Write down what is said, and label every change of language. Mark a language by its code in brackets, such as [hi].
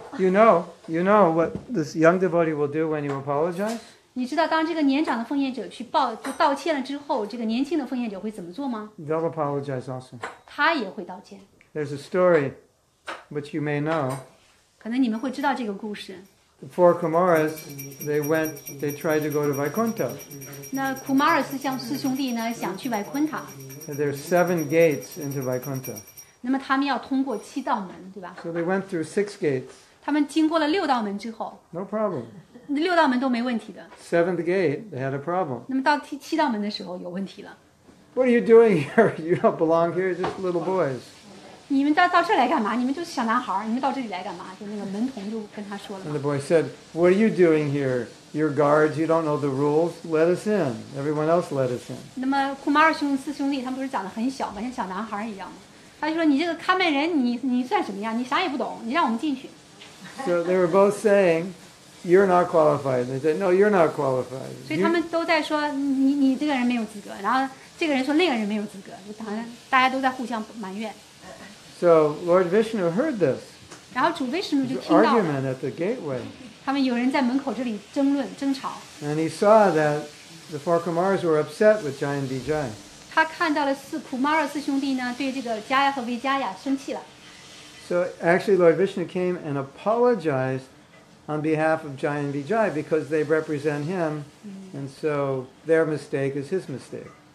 [en] You know what this young devotee will do when you apologize? [zh] 你知道当这个年长的奉献者去道歉了之后，这个年轻的奉献者会怎么做吗？ [en] They'll apologize also. [zh] 他也会道歉。 [en] There's a story, which you may know. [zh] 可能你们会知道这个故事。 [en] The four Kumaras, they tried to go to Vaikuntha. [zh] 那 Kumaras 像四兄弟呢，想去 Vaikuntha. [en] There are 7 gates into Vaikuntha. [zh] 那么他们要通过七道门，对吧？ [en] So they went through 6 gates. [zh] 他们经过了六道门之后。 [en] No problem. [zh] 六道门都没问题的。 [en] Seventh gate, they had a problem. [zh] 那么到七道门的时候有问题了。 [en] What are you doing here? You don't belong here, just little boys. [zh] 你们到这来干嘛？你们就是小男孩，你们到这里来干嘛？就那个门童就跟他说了。 [en] And the boy said, "What are you doing here? You're guards. You don't know the rules. Let us in. Everyone else, let us in." [zh] 那么库马尔兄四兄弟他们不是长得很小吗？像小男孩一样吗？他就说：“你这个看门人，你算什么呀？你啥也不懂，你让我们进去。 [en] ”So they were both saying, "You're not qualified." They said, "No, you're not qualified." [zh] 所以他们都在说你这个人没有资格，然后这个人说那个人没有资格，就当然大家都在互相埋怨。 [en] So Lord Vishnu heard this. [zh] 然后主 Vishnu 就听到 [en] argument at the gateway. [zh] 他们有人在门口这里争论争吵。 [en] And he saw that the four Kumaras were upset with Jaya and Vijaya. [zh] 他看到了四 Kumara 四兄弟呢对这个 Jaya 和 Vijaya 生气了。 [en] So actually Lord Vishnu came and apologized on behalf of Jaya and Vijaya because they represent him, and so their mistake is his mistake.